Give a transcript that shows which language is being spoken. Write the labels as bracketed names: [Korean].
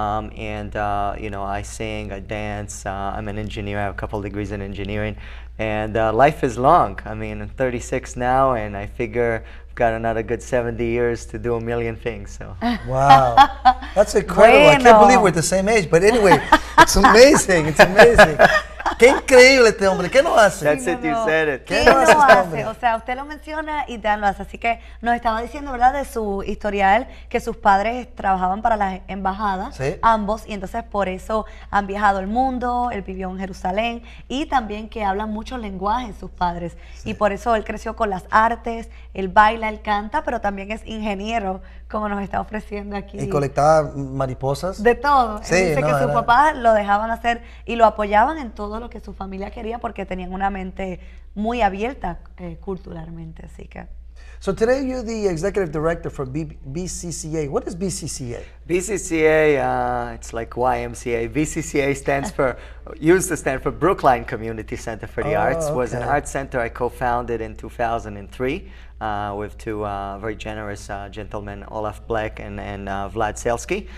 [English] You know, I sing, I dance, I'm an engineer, I have a couple degrees in engineering, and life is long. I mean, I'm 36 now, and I figure I've got another good 70 years to do a million things, so. Wow, that's incredible. [Spanish] Bueno. [English] I can't believe we're the same age, but anyway, it's amazing. [Spanish] Qué increíble este hombre, ¿qué no hace? [English] That's it, you said it. [Spanish] ¿Qué no hace? O sea, usted lo menciona y Dan lo hace. Así que nos estaba diciendo, ¿verdad?, de su historial, que sus padres trabajaban para la embajada, sí, ambos, y entonces por eso han viajado el mundo, él vivió en Jerusalén, y también que hablan muchos lenguajes sus padres. Sí. Y por eso él creció con las artes, él baila, él canta, pero también es ingeniero, como nos está ofreciendo aquí. Y colectaba mariposas. De todo. Sí, dice no, que sus papás lo dejaban hacer y lo apoyaban en todo lo que su familia quería porque tenían una mente muy abierta culturalmente, así que. [English] So today you're the executive director for BCCA. What is BCCA? BCCA, it's like YMCA. BCCA stands for, used to stand for Brookline Community Center for the Arts. Okay. Was an arts center I co-founded in 2003 with two very generous gentlemen, Olaf Black and Vlad Selsky.